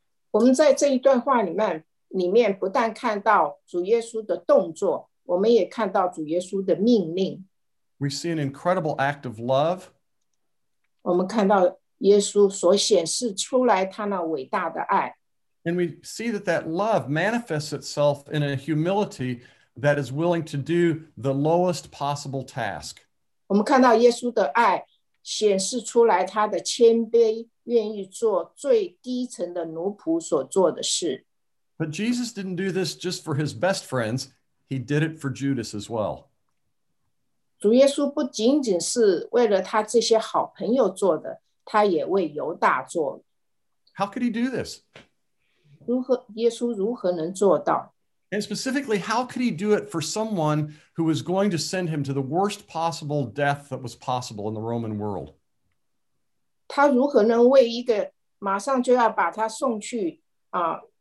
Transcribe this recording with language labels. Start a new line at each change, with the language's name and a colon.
Chinese: 我们在这一段话里面不但看到主耶稣的动作，我们也看到主耶稣的命令。
English: We see an incredible act of love.
Chinese: 我们看到耶稣所显示出来他那伟大的爱。
English: And we see that love manifests itself in a humility that is willing to do the lowest possible task.
Chinese: 我们看到耶稣的爱显示出来他的谦卑，愿意做最低层的奴仆所做的事。
English: But Jesus didn't do this just for his best friends. He did it for Judas as well.
Chinese: 主耶稣不仅仅是为了他这些好朋友做的，他也为犹大做。
English: How could he do this?
Chinese: 耶稣如何能做到？
English: And specifically, how could he do it for someone who was going to send him to the worst possible death that was possible in the Roman world?
Chinese: 他如何能为一个马上就要把他送去啊？